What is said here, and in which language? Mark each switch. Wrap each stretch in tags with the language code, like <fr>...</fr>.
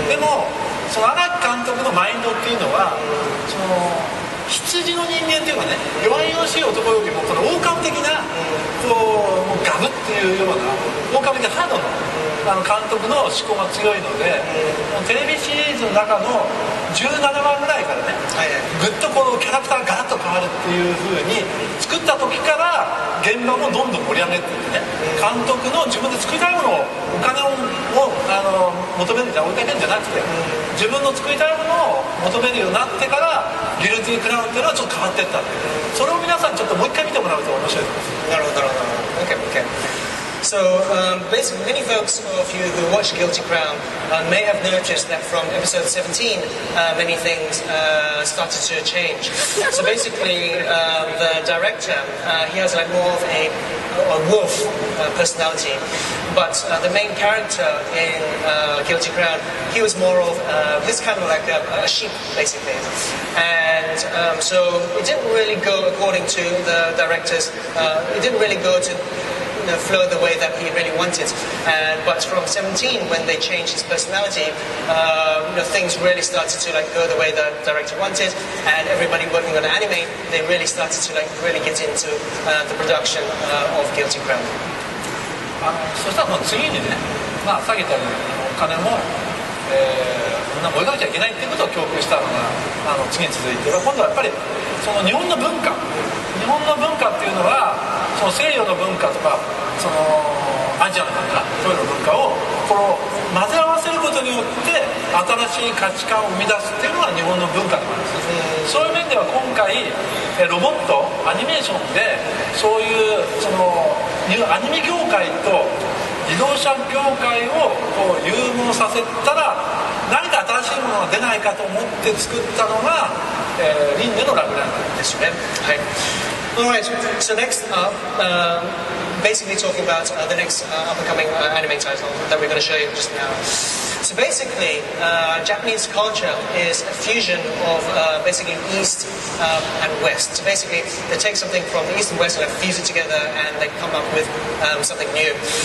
<ja>でもその荒木監督のマインドっていうのは、その羊の人間というかね、弱々しい男よりもこの狼的なこうガブっていうような、狼的なハードの、あの監督の思考が強いので、もうテレビシリーズの中の17話ぐらいからね、ぐっとこのキャラクターがガラッと変わるっていう風に作った時から現場もどんどん盛り上げていってね、監督の自分で作りたいものをお金を求めるんじゃ、追いかけるんじゃなくて自分の作りたいものを求めるようになってからギルティークラウンっていうのはちょっと変わっていった。それを皆さんちょっともう一回見てもらうと面白いです。なるほどなるほど。OKOK。</ja> <en>So basically, many folks of you who watch Guilty Crown may have noticed that from episode 17, many things started to change. So basically, the director, he has like more of a wolf personality. But the main character in Guilty Crown, he was more of this kind of like a sheep, basically. And so it didn't really go according to the director's, it didn't really go to the flow the way that he really wanted. And but from 17, when they changed his personality, things really started to like go the way the director wanted, and everybody working on the anime, they really started to like really get into the production of Guilty Crown.</en> <ja>そしたらもう次にね、まあ下げたお金も、こんな追いかけちゃいけないっていうことを教訓したのが、次に続いて、今度はやっぱりその日本の文化、日本の文化っていうのは、その西洋の文化とかそのアジアの文化、そういうの文化をこの混ぜ合わせることによって新しい価値観を生み出すっていうのが日本の文化なんです。そういう面では今回ロボットアニメーションでそういうそのアニメ業界と自動車業界をこう融合させたら何か新しいものが出ないかと思って作ったのが、リンネのラグランなんですね。はい。</ja> <en>Alright, so next up, basically talking about the next up-and-coming anime title that we're going to show you just now. So basically, Japanese culture is a fusion of basically East and West. So basically, they take something from the East and West and they fuse it together and they come up with something new.</en>